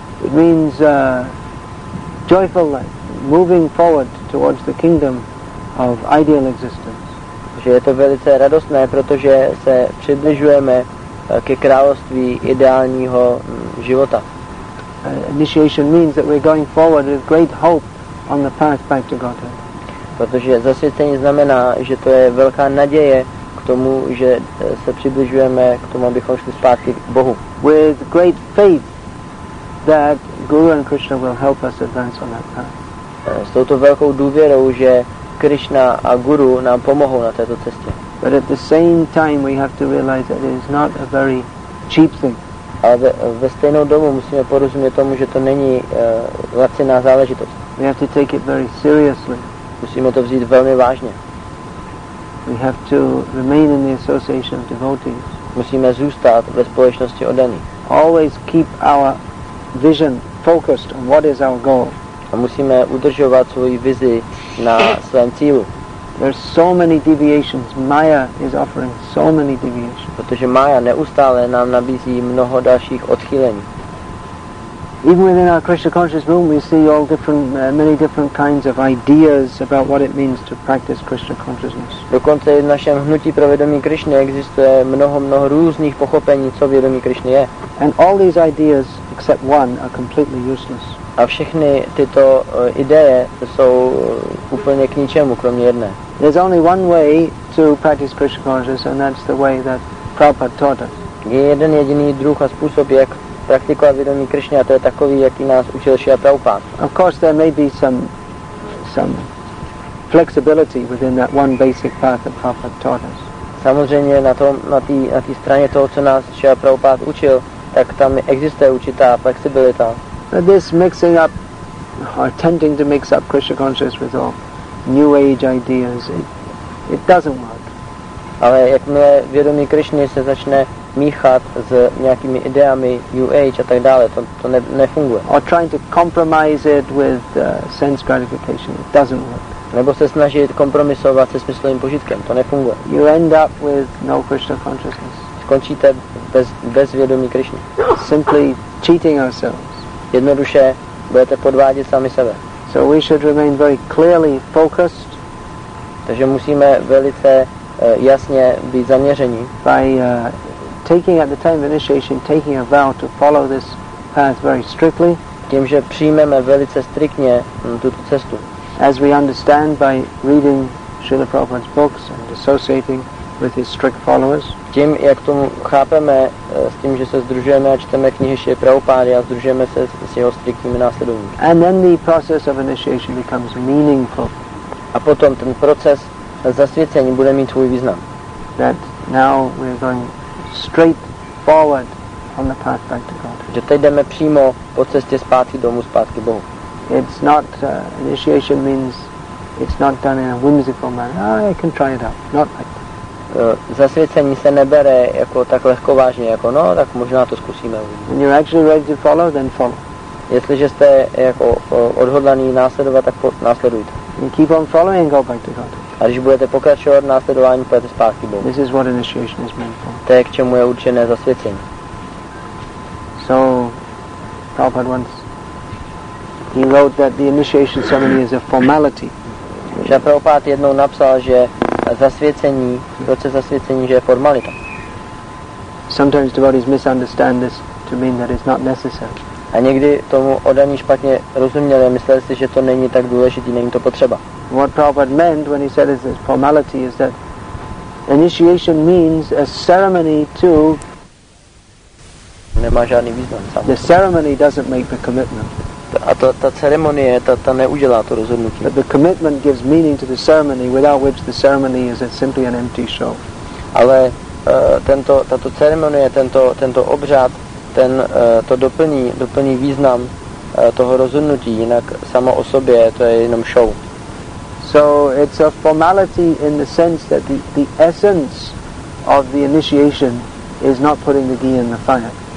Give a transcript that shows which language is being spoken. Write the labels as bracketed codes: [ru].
[en] It means joyful life, moving forward towards the kingdom of ideal existence. [cs] Že je to velice radostné, protože se přibližujeme ke království ideálního života. [en] Initiation means that we're going forward with great hope on the path back to Godhead. [cs] Protože zasvěcení znamená, že to je velká naděje k tomu, že se přibližujeme k tomu, abychom šli zpátky k Bohu. [en] With great faith that Guru and Krishna will help us advance on that path. [cs] S touto velkou důvěrou, že Krishna a Guru nám pomohou na této cestě. [en] But at the same time we have to realize that it is not a very cheap thing. [cs] Ale ve stejnou dobu musíme porozumět tomu, že to není laciná záležitost. [en] We have to take it very seriously. [cs] Musíme to vzít velmi vážně. [en] We have to remain in the association of devotees. [cs] Musíme zůstat ve společnosti oddaných. [en] Always keep our vision focused on what is our goal. [cs] A musíme udržovat svoji vizi na svém cílu. [en] There are so many deviations. Maya is offering so many deviations. [cs] Protože Maya neustále nám nabízí mnoho dalších odchýlení. [en] Even within our Krishna conscious movement, we see all different, many different kinds of ideas about what it means to practice Krishna consciousness. [cs] Dokonce i v našem hnutí pro vědomí Krishny existuje mnoho různých pochopení, co vědomí Krishny je. [en] And all these ideas, except one, are completely useless. [cs] A všechny tyto ideje jsou úplně k ničemu, kromě jedné. [en] There's only one way to practice Krishna consciousness, and that's the way that Prabhupada taught us. [cs] Je jeden jediný druh a způsob, jak praktikovat vědomí Krishny, a to je takový, jaký nás učil Šrila Prabhupada. [en] Of course, there may be some flexibility within that one basic path that Prabhupada taught us. [cs] Samozřejmě na té straně toho, co nás Šrila Prabhupada učil, tak tam existuje určitá flexibilita. [en] But this mixing up, or tending to mix up Krishna consciousness with all new age ideas, it doesn't work. [cs] Ale jakmile vědomí Krishny se začne míchat s nějakými ideami new age a tak dále, to nefunguje. [en] Or trying to compromise it with sense gratification, it doesn't work. [cs] Nebo se snažit kompromisovat se smyslovým požitkem, to nefunguje. [en] You end up with no Krishna consciousness. [cs] Skončíte bez vědomí Krishny. [en] Simply cheating ourselves. [cs] Jednoduše budete podvádět sami sebe. [en] So we should remain very clearly focused. [cs] Takže musíme velice jasně být zaměření. [en] By taking at the time of initiation, taking a vow to follow this path very strictly. [cs] Tím, že přijmeme velice striktně tuto cestu. [en] As we understand by reading Srila Prabhupada's books and associating with his strict followers. [cs] Tím, jak to chápeme, s tím, že se združujeme a čteme knihy Šrily Prabhupády a združujeme se s jeho striktními následovníky. [en] And then the process of initiation becomes meaningful. [cs] A potom ten proces zasvěcení bude mít svůj význam. [en] That now we are going straight forward on the path back to God. [cs] Že teď jdeme přímo po cestě zpátky domů, zpátky Bohu. [en] It's not initiation means it's not done in a whimsical manner. Oh, I can try it out. Not like that. [cs] Zasvěcení se nebere jako tak lehko vážně, jako no, tak možná to zkusíme. [en] When you're actually ready to follow, then follow. [cs] Jestliže jste jako odhodlaný následovat, tak následujte. [en] And keep on following, go back to God. [cs] A když budete pokračovat následování, půjdete zpátky Bohu. [en] This is what initiation is meant for. [cs] To je, k čemu je určené zasvěcení. [en] So, Prabhupada once, he wrote that the initiation ceremony is a formality. [cs] Že Prabhupada jednou napsal, že zasvěcení, proces zasvěcení, že je formalita. [en] Sometimes devotees misunderstand this to mean that it's not necessary. [cs] A někdy tomu oddaní špatně rozuměli, mysleli si, že to není tak důležitý, není to potřeba. [en] What Prabhupada meant when he said it's formality is that initiation means a ceremony to. [cs] Nemá žádný význam. Samozřejmě. [en] The ceremony doesn't make the commitment. [cs] A ta ceremonie, ta neudělá to rozhodnutí. [en] The commitment gives meaning to the ceremony, without which the ceremony is simply an empty show. [cs] Ale tato ceremonie, tento obřad, ten to doplní význam toho rozhodnutí, jinak samo o sobě to je jenom show. [en] So it's a formality in the sense that the essence of the initiation is not putting the ghee in the fire.